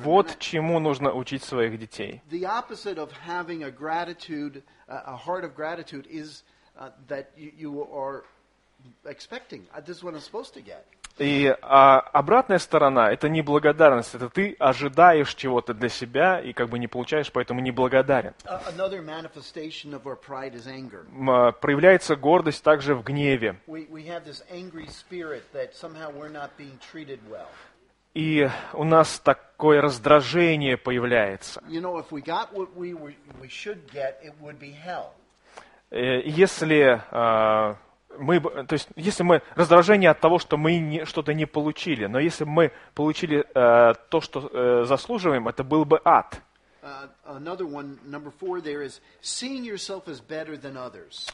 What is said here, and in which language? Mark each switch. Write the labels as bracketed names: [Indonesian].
[Russian] Вот чему нужно учить своих детей. [English] The opposite of having a gratitude, a heart of gratitude, is that you are expecting. This is what I'm supposed to get. [Russian] И обратная сторона – это неблагодарность. Это ты ожидаешь чего-то для себя и как бы не получаешь, поэтому неблагодарен. [English] Another manifestation of our pride is anger. [Russian] Проявляется гордость также в гневе. [English] We have this angry spirit that somehow we're not being treated well. [Russian] И у нас такое раздражение появляется. [English] You know, if we got what we should get, it would be hell. [Russian] Если мы, то есть, если мы раздражение от того, что мы не, что-то не получили, но если бы мы получили то, что заслуживаем, это был бы ад. [English] Another one, number four, there is seeing yourself as better than others.